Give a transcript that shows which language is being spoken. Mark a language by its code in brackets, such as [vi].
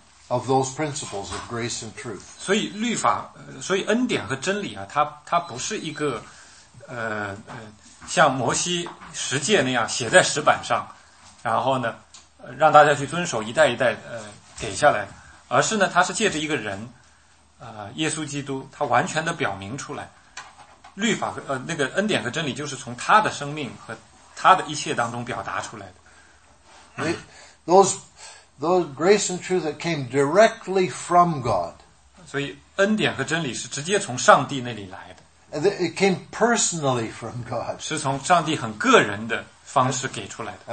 [en] Of those principles of grace and truth. [zh] 所以律法，所以恩典和真理啊，它不是一个，像摩西十诫那样写在石板上，然后呢，让大家去遵守一代一代给下来，而是呢，它是借着一个人，耶稣基督，他完全的表明出来，律法和那个恩典和真理就是从他的生命和他的一切当中表达出来的。 [en] Those grace and truth that came directly from God. [zh] 所以恩典和真理是直接从上帝那里来的。 [en] It came personally from God. [zh] 是从上帝很个人的方式给出来的。